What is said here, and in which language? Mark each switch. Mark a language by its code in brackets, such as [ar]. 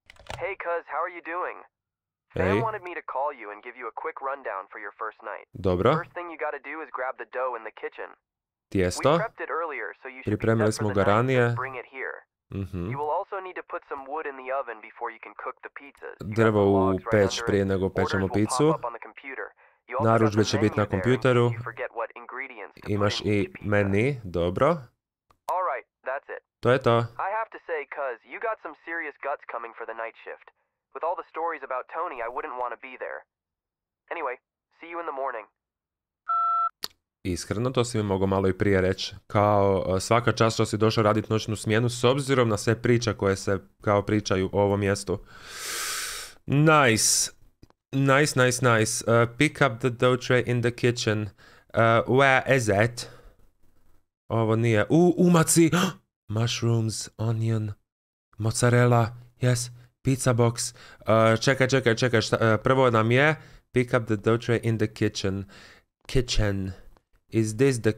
[en] Hey cuz, how are you doing? Hey. Sam wanted me to call you and give you a quick rundown for your first night. [hr] Dobro. [en] First thing you gotta do is grab the dough in the kitchen. [hr] Tijesto. [en] We prepped it earlier, so you should be set for the night. Mm-hmm. You will also need to put some wood in the oven before you can cook the pizzas. [hr] Drvo u peć prije nego pečemo picu. Narudžbe će biti na kompjuteru. Imaš i menu, dobro. [en] All right, that's it. [hr] To je to. [en] I have to say, cuz, you got some serious guts coming for the night shift. With all the stories about Tony, I wouldn't want to be there. Anyway, see you in the morning. [hr] Iskreno, to si mi mogao malo i prije reći. Kao svaka čast što si došao raditi noćnu smjenu s obzirom na sve priče koje se kao pričaju o ovom mjestu. [en] Nice. Nice, nice, nice. Pick up the dough tray in the kitchen. Where is it? [hr] Ovo nije. Umaci! [en] Mushrooms, onion, mozzarella, yes, pizza box. [hr] Čekaj. Prvo nam je [en] pick up the dough tray in the kitchen. Kitchen. Is this the...